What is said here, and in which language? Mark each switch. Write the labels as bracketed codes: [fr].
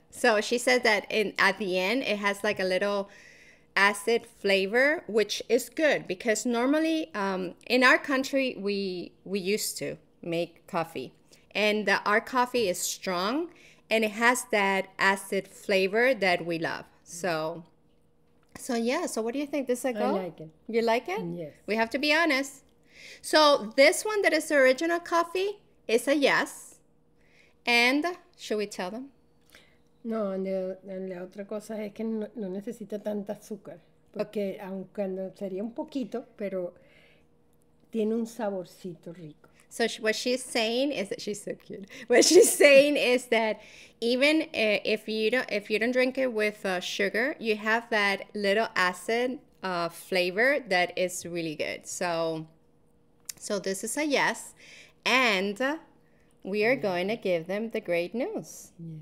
[en] So she said that at the end, it has like a little acid flavor, which is good because normally in our country, we used to make coffee and our coffee is strong and it has that acid flavor that we love. So yeah. So what do you think? This is a go? I like it. You like it? Yes. We have to be honest. So this one that is the original coffee is a yes. And should we tell them? [es] No, la otra cosa es que no necesita tanta azúcar, porque aunque cuando sería un poquito, pero tiene un saborcito rico. [en] So what she's saying is that she's so cute. What she's saying is that even if you don't drink it with sugar, you have that little acid flavor that is really good. So this is a yes, and we are going to give them the great news.